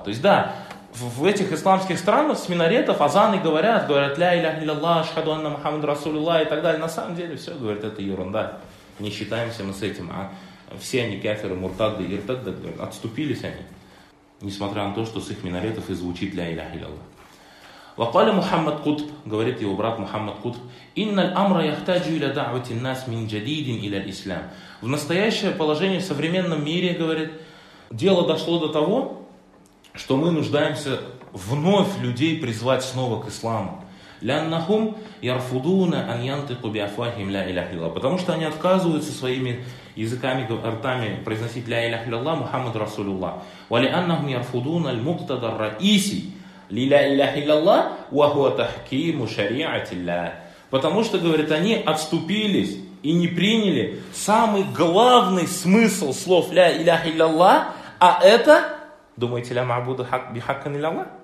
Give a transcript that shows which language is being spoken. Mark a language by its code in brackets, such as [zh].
[ru] То есть да, в этих исламских странах с минаретов азаны говорят «Ля иляха илляллах», «Ашхаду анна Мухаммад Расулилла» и так далее. На самом деле все, говорят, это ерунда. Не считаемся мы с этим, а все они кафиры, муртады, иртадды, отступились они. Несмотря на то, что с их минаретов и звучит «Ля иляха илляллах». [ar] وقال محمد قطب [ru] говорит его брат Мухаммад Кутб [ar] إن الأمر يحتاج إلى دعوة الناس من جديد إلى الإسلام. [ru] В настоящее положение в современном мире, говорит, дело дошло до того, что мы нуждаемся вновь людей призвать снова к исламу. [ar] لأنهم يرفضون أن ينطقوا بأفواههم لا إله إلا الله. [ru] Потому что они отказываются своими языками, ртами произносить [ar] لا إله إلا الله محمد رسول الله. ولأنهم يرفضون المقتضى الرئيسي لِلَا إِلَّهِ إِلَّا اللَّهِ وَهُوَ تَحْكِيمُ شَرِيعَةِ اللَّهِ. [ru] Потому что, говорит, они отступились и не приняли самый главный смысл слов [ar] «Ля иляха илляллах», [ru] а это, думаете, [ar] «Ля маабуду бихаккан илляллах»?